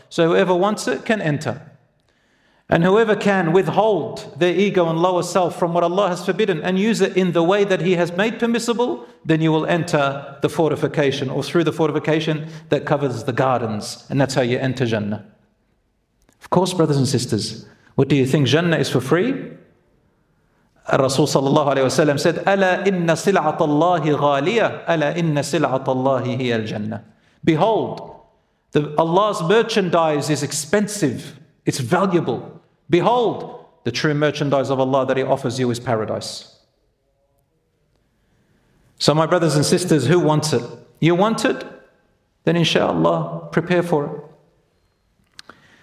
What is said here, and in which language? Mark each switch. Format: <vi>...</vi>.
<en>So whoever wants it can enter. And whoever can withhold their ego and lower self from what Allah has forbidden and use it in the way that He has made permissible, then you will enter the fortification or through the fortification that covers the gardens. And that's how you enter Jannah. Of course, brothers and sisters, what do you think? Jannah is for free?</en> <ar>Rasul sallallahu alayhi wa sallam</ar> <en>said,</en> <ar>أَلَا إِنَّ سِلْعَةَ اللَّهِ غَالِيَةً أَلَا إِنَّ سِلْعَةَ اللَّهِ هِيَ الْجَنَّةِ.</ar> <en>Behold, Allah's merchandise is expensive. It's valuable. Behold, the true merchandise of Allah that He offers you is paradise. So my brothers and sisters, who wants it? You want it? Then inshallah, prepare for it.</en>